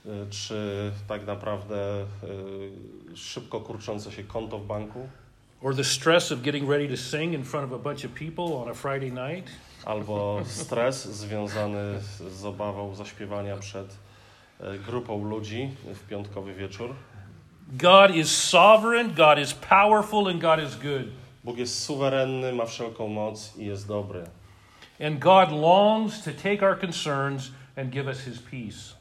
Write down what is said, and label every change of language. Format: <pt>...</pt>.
<pl>czy tak naprawdę szybko kurczące się konto w banku,</pl> <en>or the stress of getting ready to sing in front of a bunch of people on a Friday night,</en> <pl>albo stres związany z obawą zaśpiewania przed grupą ludzi w piątkowy wieczór.</pl> <en>God is sovereign, God is powerful and God is good.</en> <pl>Bóg jest suwerenny, ma wszelką moc i jest dobry.</pl> <en>And God longs to take our concerns and give us his peace.</en>